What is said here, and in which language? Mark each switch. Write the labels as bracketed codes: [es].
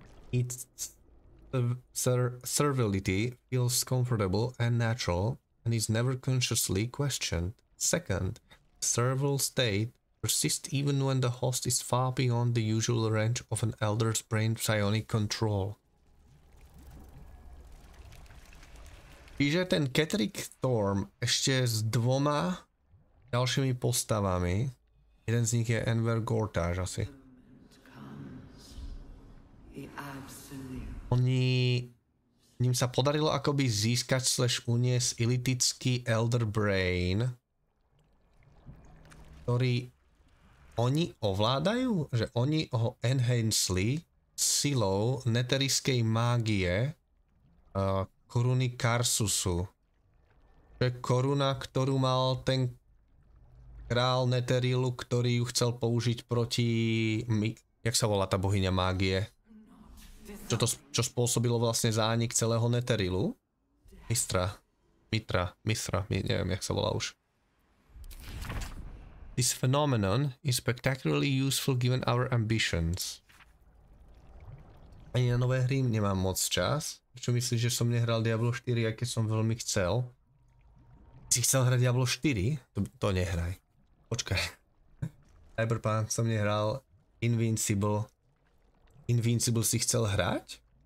[en] Its servility feels comfortable and natural and is never consciously questioned. Second, the servile state persists even when the host is far beyond the usual range of an elder's brain psionic control. [sk] Čiže ten Ketrick Storm ešte s dvoma ďalšími postavami. Jeden z nich je Enver Gortash asi. Oni... Ním sa podarilo akoby získať slash uniesť ilitický Elder Brain, ktorý oni ovládajú, že oni ho enhancely silou neteriskej mágie koruny Karsusu. To je koruna, ktorú mal ten král Neterilu, ktorý ju chcel použiť proti... Jak sa volá tá bohyňa mágie? Čo spôsobilo vlastne zánik celého Neterilu? Mitra, neviem, jak sa volá už. [en] This phenomenon is spectacularly useful given our ambitions. [sk] Ani na nové hry nemám moc čas. Čo myslíš, že som nehral Diablo 4, aké som veľmi chcel? Si chcel hrať Diablo 4? To nehraj. Počkaj, Cyberpunk som nehral, Invincible si chcel hrať?